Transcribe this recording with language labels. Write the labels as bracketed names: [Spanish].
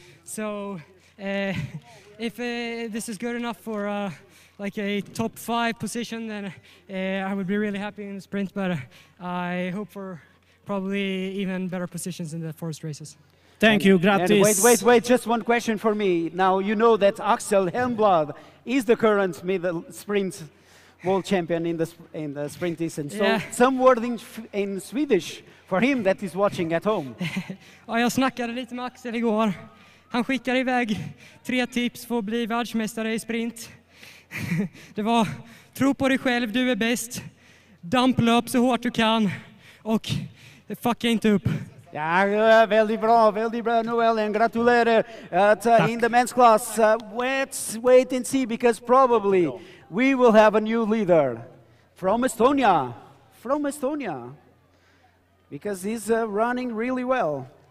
[English] So if this is good enough for like a top five position, then I would be really happy in the sprint, but I hope for probably even better positions in the forest races. Thank you, gratis. Wait, just one question for me. Now, you know that Axel Helmblad is the current middle sprint world champion in the sprint distance. So yeah. Some word in Swedish for him that is watching at home. [Swedish] Jag snackade lite med Axel igår. Han skickar iväg tre tips för att bli världsmästare i sprint. Det var tro på dig själv, du är bäst. Dump löp så hårt du kan och fucka inte upp. Ja, väldigt bra Noel, and gratulerar. [English] In the men's class, let's wait and see, because probably we will have a new leader from Estonia. From Estonia. Because he's running really well.